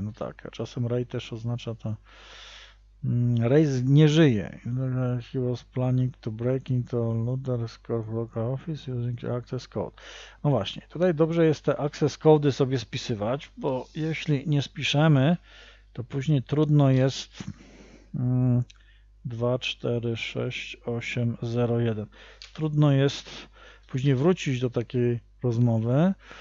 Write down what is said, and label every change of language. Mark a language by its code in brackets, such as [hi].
[pl] No tak, a czasem Ray też oznacza to. Ray nie żyje. [en] He was planning to break into Luther's Corp local office using access code. [pl] No właśnie, tutaj dobrze jest te access kody sobie spisywać, bo jeśli nie spiszemy, to później trudno jest 2, 4, 6, 8, 0, 1. Trudno jest później wrócić do takiej rozmowy.